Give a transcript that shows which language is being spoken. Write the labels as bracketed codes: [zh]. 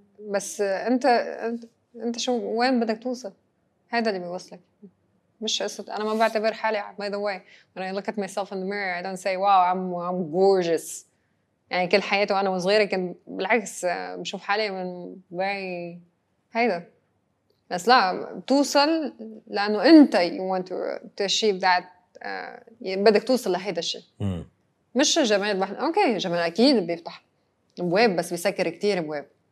[ar] بس أنت شو وين بدك توصل؟ هذا اللي بيوصلك، مش قصة. أنا ما بعتبر حالي [en] by the way when I look at myself in the mirror I don't say wow I'm gorgeous. [ar] يعني كل حياتي وأنا صغيرة كان بالعكس بشوف حالي من very هيدا. بس لا توصل لأنه أنت [en] you want to achieve that، [ar] بدك توصل لهيدا الشيء. مش جمال بحث. أوكي جمال أكيد بيفتح بواب، بس بيسكر كتير بواب.